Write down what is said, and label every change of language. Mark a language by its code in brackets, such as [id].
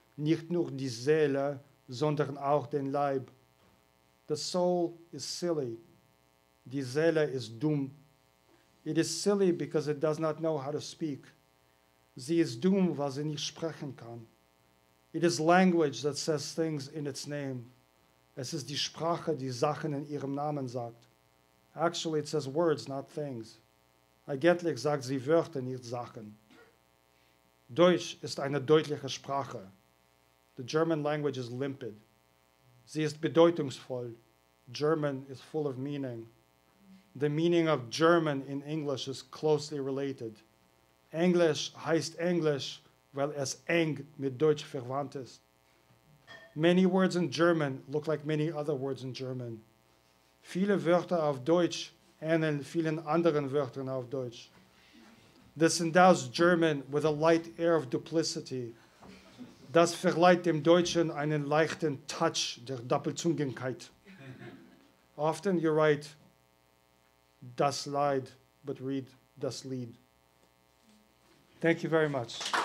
[de] nicht nur die Seele, sondern auch den Leib. [en] The soul is silly. [de] Die Seele ist dumm. [en] It is silly because it does not know how to speak. [de] Sie ist dumm, weil sie nicht sprechen kann. [en] It is language that says things in its name. [de] Es ist die Sprache, die Sachen in ihrem Namen sagt. [en] Actually, it says words, not things. [de] Eigentlich sagt sie Wörter, nicht Sachen. Deutsch ist eine deutliche Sprache. [en] The German language is limpid. [de] Sie ist bedeutungsvoll. [en] German is full of meaning. The meaning of German in English is closely related. [de] Englisch heißt Englisch, weil es eng mit Deutsch verwandt ist. [en] Many words in German look like many other words in German. [de] Viele Wörter auf Deutsch ähneln vielen anderen Wörtern auf Deutsch. [en] This endows German with a light air of duplicity. [de] Das verleiht dem Deutschen einen leichten Touch der Doppelzüngigkeit. [en] Often you write, das Leid, but read, das Lied. Thank you very much.